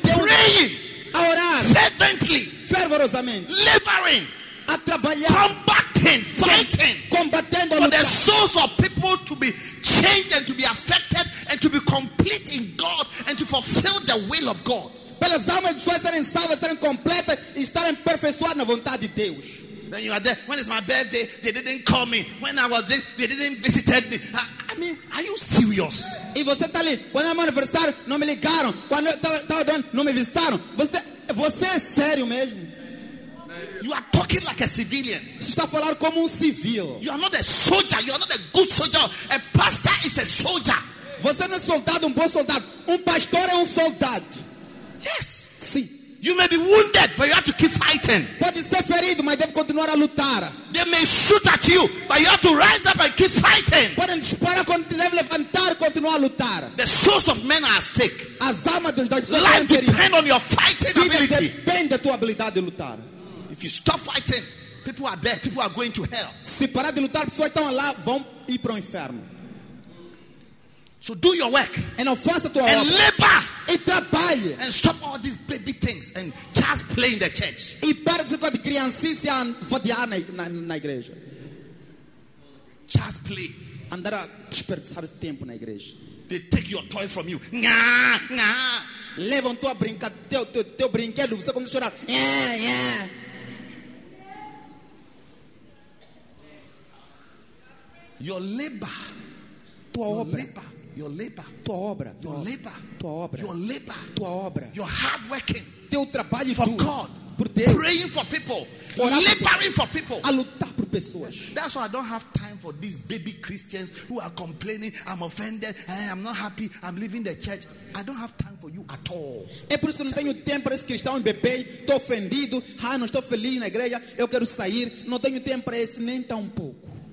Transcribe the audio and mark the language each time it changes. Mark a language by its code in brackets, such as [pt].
[en] praying. [pt] A orar. [en] Fervently. [pt] Fervorosamente. [en] Laboring. [pt] A trabalhar. [en] Combating. Fighting. [pt] Combatendo. [en] For the souls of people to be changed and to be affected and to be complete in God and to fulfill the will of God. [pt] Pelas almas de pessoas serem salvas, serem completas e estarem aperfeiçoadas na vontade de Deus. [en] Then you are there. When is my birthday? They didn't call me. When I was this, they didn't visit me. I mean, are you serious? [pt] E você está ali. Quando é meu aniversário, não me ligaram. Quando estava doendo, não me visitaram. Você é sério mesmo? [en] You are talking like a civilian. [pt] Você está falando como civil. [en] You are not a soldier. You are not a good soldier. A pastor is a soldier. [pt] Você não é soldado, bom soldado. Pastor é soldado. [en] Yes. [pt] Sim. [en] You may be wounded, but you have to keep fighting. [pt] Pode ser ferido, mas deve continuar a lutar. [en] They may shoot at you, but you have to rise up and keep fighting. [pt] Podem disparar, deve levantar, continuar a lutar. [en] The souls of men are at stake. [pt] As almas dos homens. [en] Life depends on your fighting ability. [pt] Depende da tua habilidade de lutar. [en] If you stop fighting, people are dead. People are going to hell. [pt] Se parar de lutar, pessoas estão lá, vão ir para o inferno. [en] So do your work and offer to and labor [pt] e trabalhe [en] and stop all these baby things and just play in the church. [pt] E para de ficar de criancice a vadiar na igreja. [en] Just play. [pt] Andar a desperdiçar tempo na igreja. [en] They take your toy from you. Nha. [pt] Levam tua brincadeira, teu brinquedo, você começa a chorar. [en] Yeah. Your labor. [pt] Tua [en] your [pt] obra. [en] Labor. Your labor, [pt] tua obra, [en] your labor, [pt] tua obra, [en] your labor, [pt] tua obra, [en] your hard working, [pt] teu trabalho [en] for [pt] duro [en] God, [pt] por Deus. [en] Praying for people. Laboring for people. [pt] A lutar por pessoas. [en] That's why I don't have time for these baby Christians who are complaining. I'm offended. I'm not happy. I'm leaving the church. I don't have time for you at all. [pt] É por isso que eu não tenho tempo para esse cristão bebê. Estou ofendido. Ah, não estou feliz na igreja. Eu quero sair. Não tenho tempo para esse nem tão pouco.